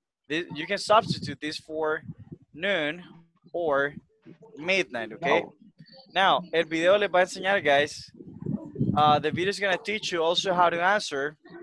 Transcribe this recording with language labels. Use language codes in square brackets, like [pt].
[en] You can substitute this for noon or midnight, okay? No. [es] Now, el video le va a enseñar, guys. [en] The video is going to teach you also how to answer.